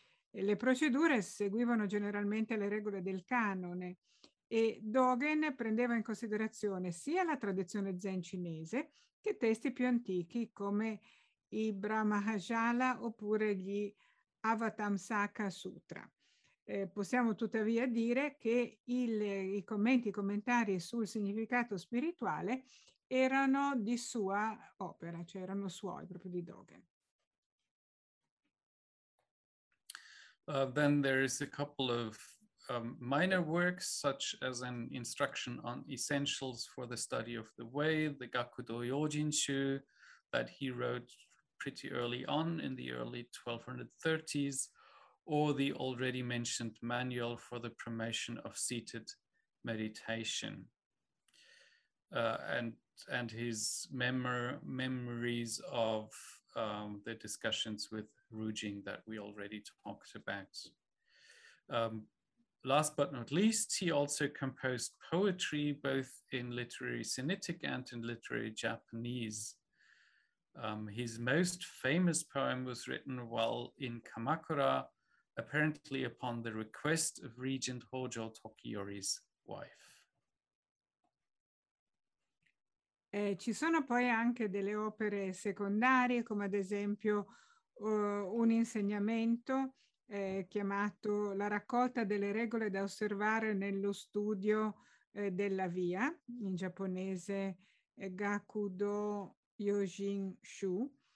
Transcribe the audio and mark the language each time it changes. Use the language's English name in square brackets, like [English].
[Italian] Le procedure seguivano generalmente le regole del canone e Dogen prendeva in considerazione sia la tradizione zen cinese che testi più antichi come i Brahmajala oppure gli Avatamsaka Sutra. Possiamo tuttavia dire che i commentari sul significato spirituale erano di sua opera, cioè erano suoi, proprio di Dogen. [English] Then there is a couple of minor works, such as an instruction on essentials for the study of the way, the Gakudo Yojinshu, that he wrote pretty early on in the early 1230s, or the already mentioned manual for the promotion of seated meditation, and his memories of the discussions with Rujing that we already talked about. Last but not least, he also composed poetry both in literary Sinitic and in literary Japanese. His most famous poem was written while in Kamakura, apparently upon the request of Regent Hojo Tokiyori's wife. [Italian] Ci sono poi anche delle opere secondarie, come ad esempio un insegnamento chiamato La raccolta delle regole da osservare nello studio della via, in giapponese Gakudo Yojin Shu,